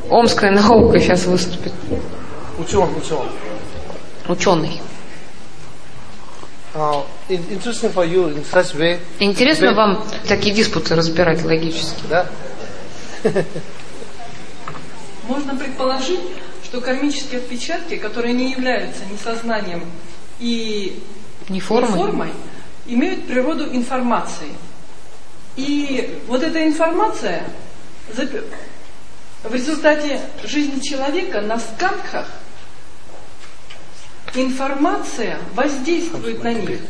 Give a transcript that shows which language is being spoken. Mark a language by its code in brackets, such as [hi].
[ru] Омская наука сейчас выступит. Ученый. [en] Interesting for you in such way. [ru] Интересно вам такие диспуты разбирать логически. Да. Можно предположить, что кармические отпечатки, которые не являются ни сознанием и ни формой, имеют природу информации. И вот эта информация в результате жизни человека на скандхах информация воздействует на них.